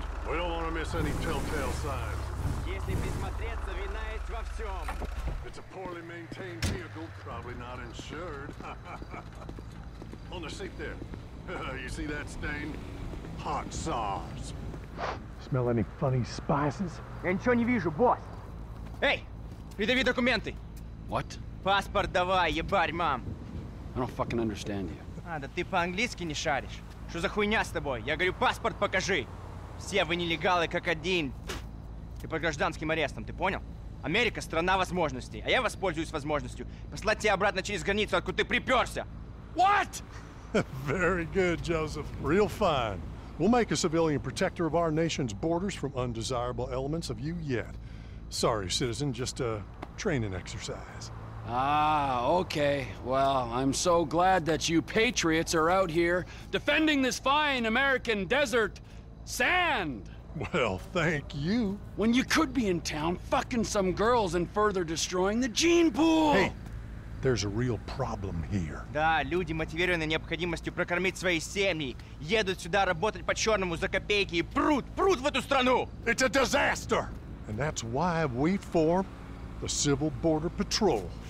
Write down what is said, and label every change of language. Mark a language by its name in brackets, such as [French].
[English] We don't want to miss any telltale signs. [Russian] Если присмотреться, вина есть во всем. [English] It's a poorly maintained vehicle, probably not insured. On the seat there. You see that stain? Hot sauce. Smell any funny spices? [Russian] Я ничего не вижу, босс. Эй, предъяви документы. [English] What? [Russian] Паспорт давай, ебарь, мам. [English] I don't fucking understand you. [Russian] А, да ты по-английски не шаришь. Что за хуйня с тобой? Я говорю, паспорт покажи. Все вы нелегалы как один. Ты под гражданским арестом, ты понял? Америка — страна возможностей, а я воспользуюсь возможностью послать тебя обратно через границу, откуда ты припёрся. [English] What? Very good, Joseph. Real fine. We'll make a civilian protector of our nation's borders from undesirable elements of you yet. Sorry, citizen, just a training exercise. Ah, okay. Well, I'm so glad that you patriots are out here defending this fine American desert. Sand! Well, thank you. When you could be in town fucking some girls and further destroying the gene pool! Hey, there's a real problem here. [Russian] Да, люди, мотивированные необходимостью прокормить свои семьи, едут сюда работать по-черному за копейки и прут в эту страну! [English] It's a disaster! And that's why we form the Civil Border Patrol.